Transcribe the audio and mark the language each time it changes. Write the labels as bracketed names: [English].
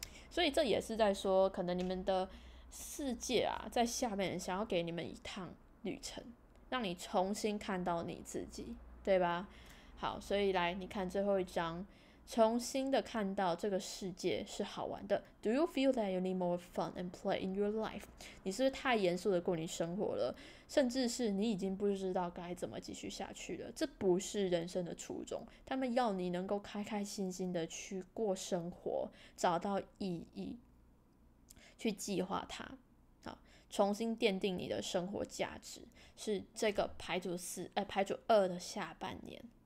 [Chinese] 所以这也是在说可能你们的世界啊，在下面想要给你们一趟旅程，让你重新看到你自己，对吧？好，所以来你看最后一张，重新的看到这个世界是好玩的。 [English] Do you feel that you need more fun and play in your life? [Chinese] 你是不是太严肃的过你生活了，甚至是你已经不知道该怎么继续下去了，这不是人生的初衷，他们要你能够开开心心的去过生活，找到意义，去计划它，好，重新奠定你的生活价值，是这个排组二的下半年。